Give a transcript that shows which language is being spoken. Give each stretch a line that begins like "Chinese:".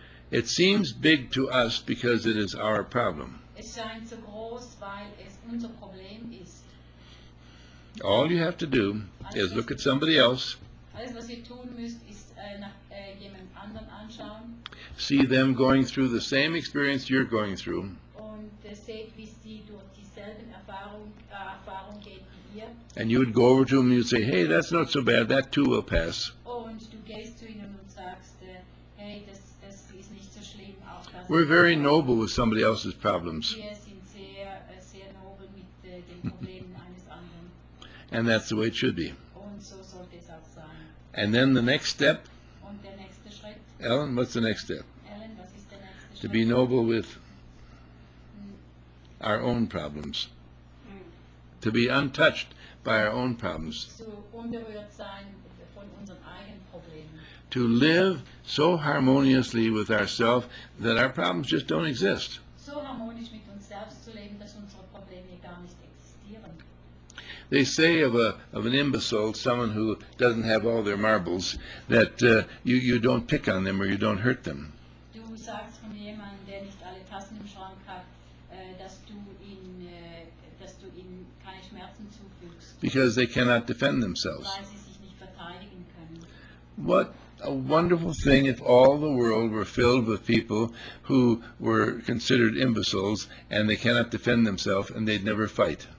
English: It seems big to us because it is our problem.
German: Es scheint so groß, weil es unser Problem ist.
English: All you have to do is look at somebody else.
German: Alles, was ihr tun müsst, ist jemand anderen anschauen.
English: See them going through the same experience you're going through.
German: Und seht, wie sie durch dieselben Erfahrung geht wie ihr.
English: And you would go over to them and you'd say, hey, that's not so bad, that too will pass.
German: Und du gehst zu ihnen und sagst, hey, das ist nicht so schlimm, auch das.
English: We're very noble with somebody else's problems.
German: Wir sind sehr noble mit den Problemen eines anderen.
English: And that's the way it should be.
German: Und so sollte es auch sein.
English: And then the next step.
German: Und der nächste Schritt.
English: Ellen, what's the next step?
German: Ellen, was ist der nächste
English: to be noble with our own problems. To be untouched by our own problems.
German: Zu unberührt sein von unseren eigenen Problemen.
English: To live so harmoniously with ourselves that our problems just don't exist.
German: So harmonisch mit uns selbst zu leben, dass unsere Probleme gar nicht existieren.
English: They say of an imbecile, someone who doesn't have all their marbles, that you don't pick on them or you don't hurt them.
German: Du sagst von jemandem, der nicht alle Tassen im Schrank hat, dass du ihm keine Schmerzen zufügst.
English: Because they cannot defend themselves.
German: Weil sie sich nicht verteidigen können.
English: What a wonderful thing if all the world were filled with people who were considered imbeciles and they cannot defend themselves and they'd never fight.